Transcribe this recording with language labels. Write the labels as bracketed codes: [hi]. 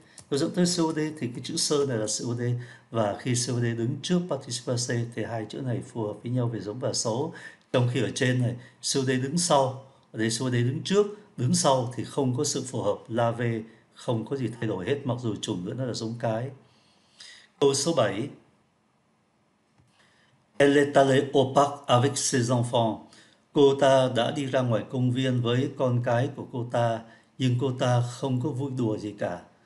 [vi] Nó dẫn tới COD thì cái chữ sơ này là COD. Và khi COD đứng trước participe passé thì hai chữ này phù hợp với nhau về giống và số. Trong khi ở trên này, COD đứng sau, ở đây COD đứng trước, đứng sau thì không có sự phù hợp, la về, không có gì thay đổi hết, mặc dù chủ ngữ nó là giống cái. Câu số 7. [fr] Elle est allée au parc avec ses enfants. [vi] Cô ta đã đi ra ngoài công viên với con cái của cô ta, nhưng cô ta không có vui đùa gì cả.